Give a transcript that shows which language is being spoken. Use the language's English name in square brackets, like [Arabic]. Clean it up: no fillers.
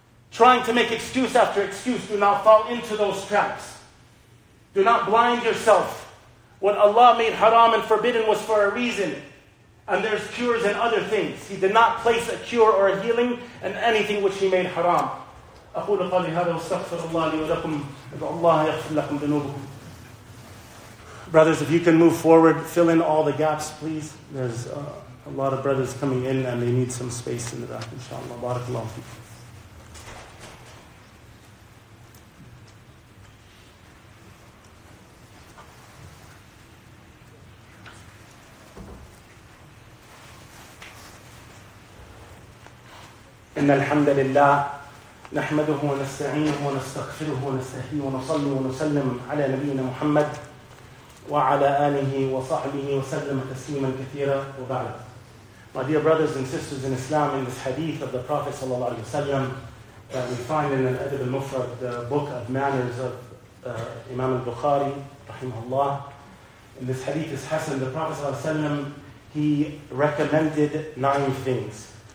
[English] Trying to make excuse after excuse, do not fall into those traps. Do not blind yourself. What Allah made haram and forbidden was for a reason. And there's cures and other things. He did not place a cure or a healing in anything which He made haram. [Arabic] أقول قولي هذا واستغفر الله لي ولكم إذا الله يغفر لكم ذنوبكم. [English] Brothers, if you can move forward, fill in all the gaps, please. There's a lot of brothers coming in and they need some space in the back, inshallah. [Arabic] Barakallahu fiikum. إن الحمد لله نحمده ونستعينه ونستغفره ونستهديه ونصلي ونسلم على نبينا محمد وعلى آله وصحبه وسلم تسليما كثيرا وبعد. [English] My dear brothers and sisters in Islam, in this hadith of the Prophet صلى الله عليه وسلم that we find in الأدب المفرد, the book of manners of Imam al-Bukhari رحمه الله. In this hadith is Hassan, the Prophet صلى الله عليه وسلم, he recommended 9 things.